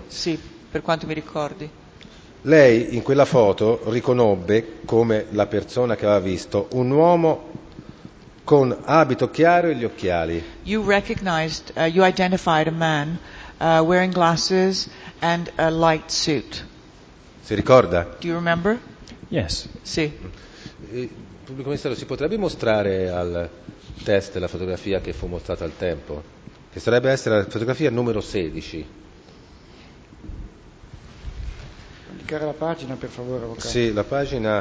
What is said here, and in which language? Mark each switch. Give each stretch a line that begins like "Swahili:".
Italian: Sì, per quanto mi ricordi. Lei in quella foto riconobbe come la persona che aveva visto un uomo con abito chiaro e gli occhiali.
English: You recognized, you identified a man wearing glasses and a light suit.
Italian: Si ricorda?
English: Do you remember? Yes.
Italian: Sì. Pubblico ministero, si potrebbe mostrare al test la fotografia che fu mostrata al tempo? Che sarebbe essere la fotografia numero 16. Indicare la pagina, per favore, avvocato. Sì, la pagina.